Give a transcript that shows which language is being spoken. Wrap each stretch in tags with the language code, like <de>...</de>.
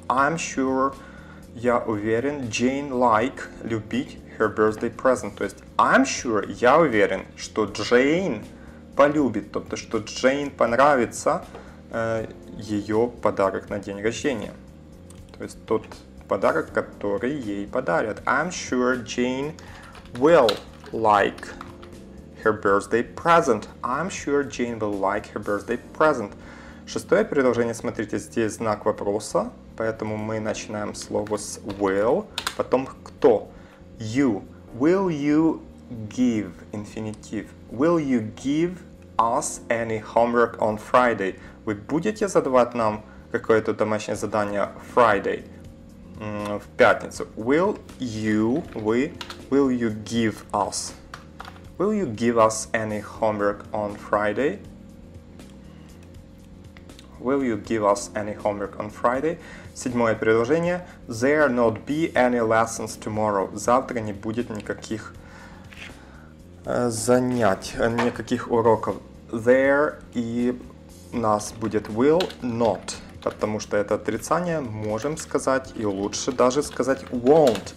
<en>I'm sure,</en> <ru>я уверен,</ru> <en>Jane like, любить her birthday present.</en> <ru>То есть</ru> <en>I'm sure,</en> <ru>я уверен, что Jane полюбит, то есть что Jane понравится ее подарок на день рождения. То есть тот подарок, который ей подарят.</ru> <en>I'm sure Jane will like her birthday present. I'm sure Jane will like her birthday present.</en> <ru>Шестое предложение. Смотрите, здесь знак вопроса. Поэтому мы начинаем слово с will. Потом кто?</ru> <en>You. Will you give? Infinitive. Will you give us any homework on Friday?</en> <ru>Вы будете задавать нам какое-то домашнее задание Friday? В пятницу.</ru> <en>Will you, вы, will you give us? Will you give us any homework on Friday? Will you give us any homework on Friday?</en> <ru>Седьмое предложение.</ru> <en>There not be any lessons tomorrow.</en> <ru>Завтра не будет никаких занятий, никаких уроков. There и у нас будет will not, потому что это отрицание, можем сказать, и лучше даже сказать won't.</ru>